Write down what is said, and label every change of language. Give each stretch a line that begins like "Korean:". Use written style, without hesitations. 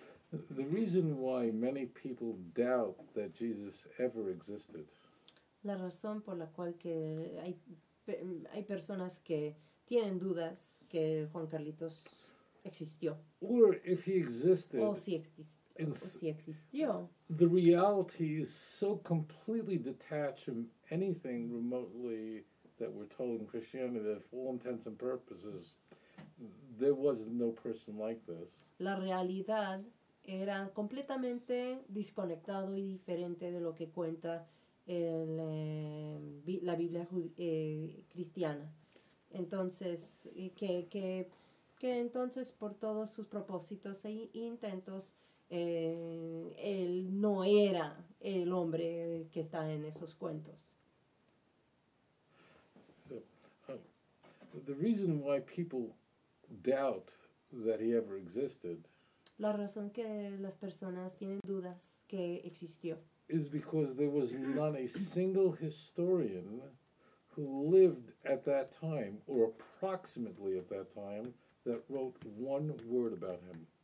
English: The reason why many people doubt that Jesus ever existed.
Spanish: La razón por la cual que hay personas que tienen dudas que Juan Carlitos existió.
English: Or if he existed.
Spanish: O si existió.
English: The reality is so completely detached from anything remotely that we're told in Christianity that for all intents and purposes there was no person like this.
Spanish: La realidad era completamente desconectado y diferente de lo que cuenta la Biblia cristiana. Entonces, que entonces por todos sus propósitos e intentos él no era el hombre que está en esos cuentos.
English: The reason why people doubt that he ever existed,
Spanish: la razón que las personas tienen dudas que existió,
English: is because there was not a single historian who lived at that time or approximately at that time that wrote one word about him.